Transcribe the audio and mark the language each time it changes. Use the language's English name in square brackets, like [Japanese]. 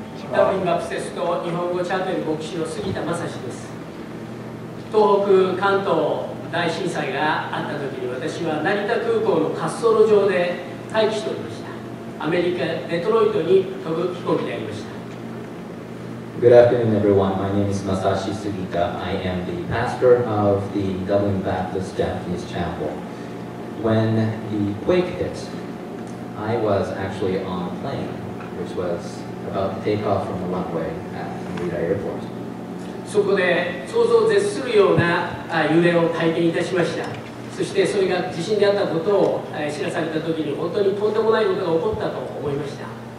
[Japanese] ダブリンバプテスト日本語チャペル牧師の杉田正史です。東北関東大震災があった時に私は成田空港の滑走路上で待機しておりました。アメリカ・デトロイトに飛ぶ飛行機でありました。 [English] Good afternoon everyone, my name is Masashi Sugita. I am the pastor of the Dublin Baptist Japanese Chapel. When the quake hit, I was actually on a plane which was about to take off from the runway at Narita Airport. [Japanese] そこで想像を絶するような揺れを体験いたしました。そしてそれが地震であったことを知らされたときに本当にとんでもないことが起こったと思いました。